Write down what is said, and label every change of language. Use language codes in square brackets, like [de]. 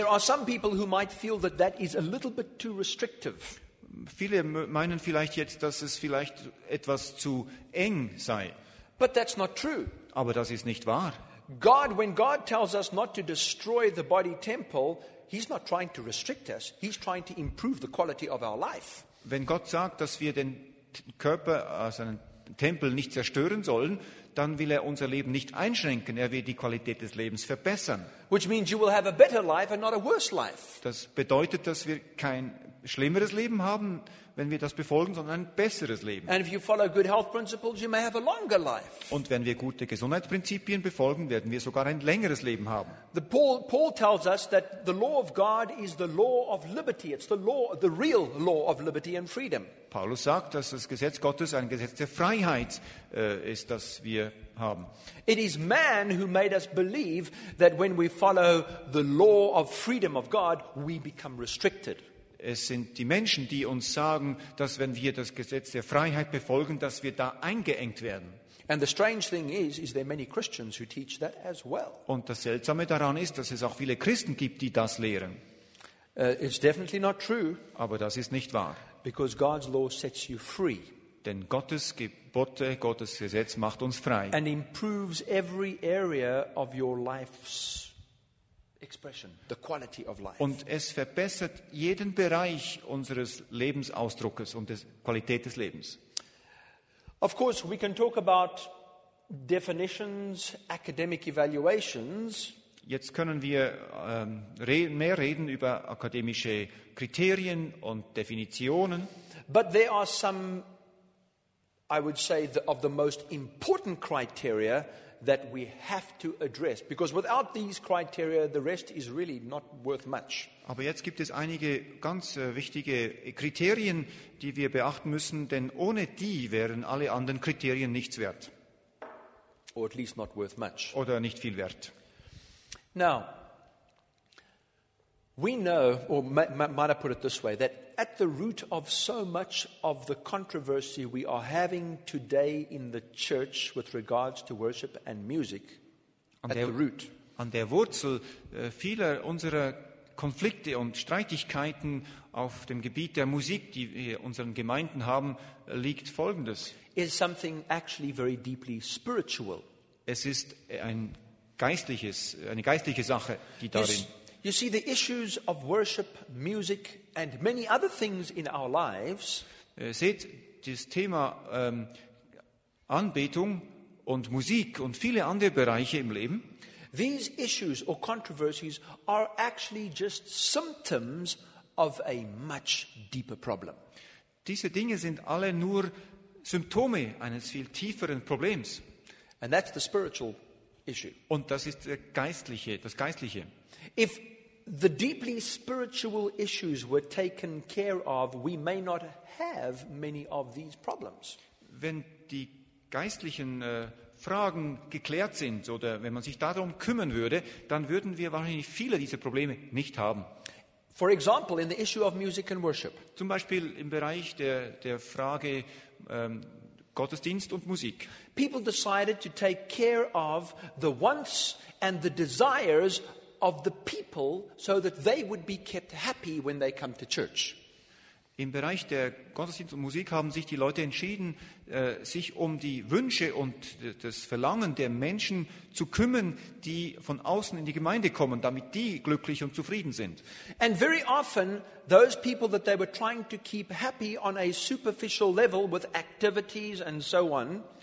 [en] There are some people who might feel that that is a little bit too restrictive. [de] Viele meinen vielleicht jetzt, dass es vielleicht etwas zu eng sei. [en] But that's not true. [de] Aber das ist nicht wahr. [en] God, when God tells us not to destroy the body temple, he's not trying to restrict us. He's trying to improve the quality of our life. [de] Wenn Gott sagt, dass wir den Körper, also einen Tempel, nicht zerstören sollen, dann will er unser Leben nicht einschränken. Er will die Qualität des Lebens verbessern. [en] Which means you will have a better life and not a worse life. [de] Das bedeutet, dass wir kein schlimmeres Leben haben, wenn wir das befolgen, sondern ein besseres Leben. [en] And if you follow good health principles, you may have a longer life. [de] Und wenn wir gute Gesundheitsprinzipien befolgen, werden wir sogar ein längeres Leben haben. [en] Paul tells us that the law of God is the law of liberty. It's the law, the real law of liberty and freedom. [de] Paulus sagt, dass das Gesetz Gottes ein Gesetz der Freiheit ist, das wir haben. [en] It is man who made us believe that when we follow the law of freedom of God, we become restricted. [de] Es sind die Menschen, die uns sagen, dass wenn wir das Gesetz der Freiheit befolgen, dass wir da eingeengt werden. [en] And the strange thing is there many Christians who teach that as well. [de] Und das Seltsame daran ist, dass es auch viele Christen gibt, die das lehren. [en] It's definitely not true. [de] Aber das ist nicht wahr. [en] Because God's law sets you free. [de] Denn Gottes Gebote, Gottes Gesetz macht uns frei. [en] And improves every area of your life's expression, the quality of life. [de] Und es verbessert jeden Bereich unseres Lebensausdrucks und der Qualität des Lebens. [en] Of course, we can talk about definitions, academic evaluations. [de] Jetzt können wir mehr reden über akademische Kriterien und Definitionen. [en] But there are some, I would say, of the most important criteria that we have to address, because without these criteria, the rest is really not worth much. [de] Aber jetzt gibt es einige ganz wichtige Kriterien, die wir beachten müssen, denn ohne die wären alle anderen Kriterien nichts wert. [en] Or at least not worth much. [de] Oder nicht viel wert. [en] Now, we know, or might I put it this way, that at the root of so much of the controversy we are having today in the church with regards to worship and music, [de] an der Wurzel vieler unserer Konflikte und Streitigkeiten auf dem Gebiet der Musik, die wir in unseren Gemeinden haben, liegt Folgendes. [en] Is something actually very deeply spiritual. [de] Es ist ein geistliches, eine geistliche Sache, die darin. [en] You see, the issues of worship, music, and many other things in our lives. [de] Seht, das Thema Anbetung und Musik und viele andere Bereiche im Leben. [en] These issues or controversies are actually just symptoms of a much deeper problem. [de] Diese Dinge sind alle nur Symptome eines viel tieferen Problems. [en] And that's the spiritual issue. [de] Und das ist das Geistliche. [en] If the deeply spiritual issues were taken care of, we may not have many of these problems. [de] Wenn die geistlichen Fragen geklärt sind oder wenn man sich darum kümmern würde, dann würden wir wahrscheinlich viele dieser Probleme nicht haben. [en] For example, in the issue of music and worship. [de] Zum Beispiel im Bereich der Frage Gottesdienst und Musik. [en] People decided to take care of the wants and the desires of the people so that they would be kept happy when they come to church. [de] Im Bereich der Gottesdienst und Musik haben sich die Leute entschieden, sich um die Wünsche und das Verlangen der Menschen zu kümmern, die von außen in die Gemeinde kommen, damit die glücklich und zufrieden sind. [en] And very often those people that they were trying to keep happy on a superficial level with activities and so on.